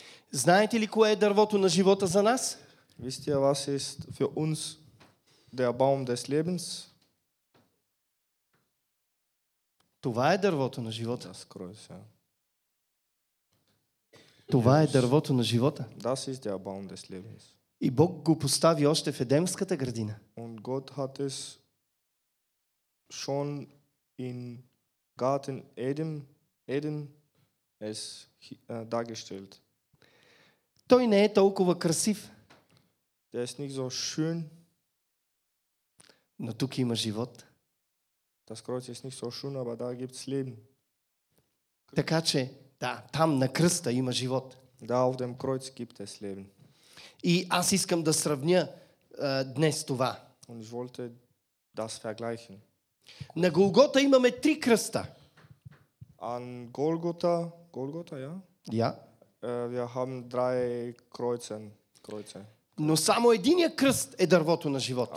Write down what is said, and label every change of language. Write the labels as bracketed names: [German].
[Bulgarian] Знаете ли кое е дървото на живота за нас? [German] Wisst ihr, was ist für uns der Baum des Lebens? [Bulgarian] Това е дървото на живота. [German] Das Kreuz, ja. [Bulgarian] Това е дървото на живота. [German] Das ist der Baum des Lebens. [Bulgarian] И Бог го постави още в Едемската градина. [German] Und Gott hat es schon in Garten Eden es dargestellt. [Bulgarian] Той не е толкова красив. [German] Der ist nicht so schön. [Bulgarian] Но тук има живот. [German] Das Kreuz ist nicht so schön, aber da gibt's Leben. [Bulgarian] Така че, да, там на кръста има живот. [German] Da auf dem Kreuz gibt es Leben. [Bulgarian] И аз искам да сравня днес това. [German] Und ich wollte das vergleichen. [Bulgarian] На Голгота имаме три кръста. [German] An Golgotha, ja? Ja. Wir haben drei Kreuze. [Bulgarian] Но само единият кръст е дървото на живота.